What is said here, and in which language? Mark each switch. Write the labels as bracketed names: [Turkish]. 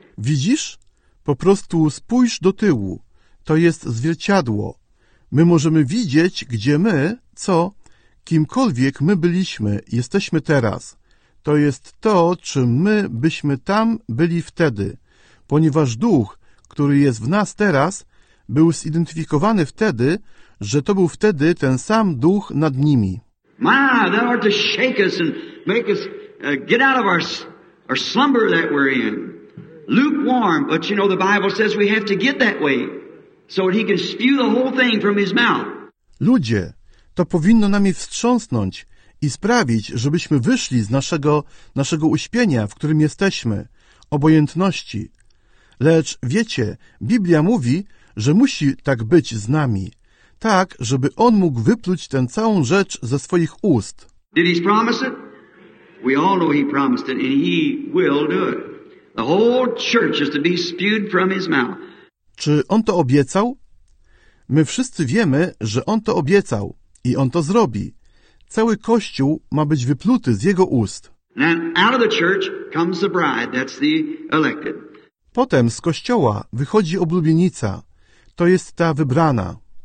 [Polish] Widzisz? Po prostu spójrz do tyłu. To jest zwierciadło. My możemy widzieć, gdzie my, co, kimkolwiek my byliśmy, jesteśmy teraz. To jest to, czym my byśmy tam byli wtedy. Ponieważ duch, który jest w nas teraz, był zidentyfikowany wtedy, że to był wtedy ten sam duch nad nimi. [English] My, that ought to shake us and make us get out of our slumber that we're in. Lukewarm, but you know the Bible says we have to get that way so that he can spew the whole thing from his mouth. [Polish] Ludzie, to powinno nami wstrząsnąć i sprawić, żebyśmy wyszli z naszego uśpienia, w którym jesteśmy, obojętności. Lecz wiecie, Biblia mówi, że musi tak być z nami, tak, żeby On mógł wypluć tę całą rzecz ze swoich ust. [English] Did he promise it? We all know he promised it, and he will do it. The whole church is to be spewed from his mouth. [Polish] Czy On to obiecał? My wszyscy wiemy, że On to obiecał i On to zrobi. Cały Kościół ma być wypluty z Jego ust. [English] Then out of the church comes the bride, that's the elected. [Polish] Potem z kościoła wychodzi oblubienica, to jest ta wybrana.